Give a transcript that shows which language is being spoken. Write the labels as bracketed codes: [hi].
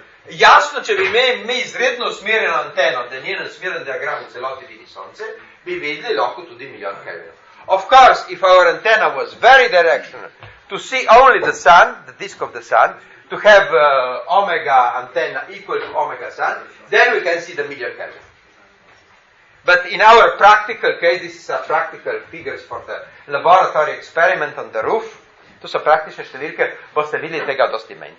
[sl] Jasno, če bi mi izredno usmerjeno anteno, da njen usmeren diagram v celoti vidi sonce, bi videli lahko tudi milijon kelvinov. [en] Of course, if our antenna was very directional, to see only the sun, the disk of the sun, to have omega antenna equal to omega sun, then we can see the million Kelvin. But in our practical case, this is a practical figures for the laboratory experiment on the roof. [sl] To so praktične številke, boste videli tega dosti manj.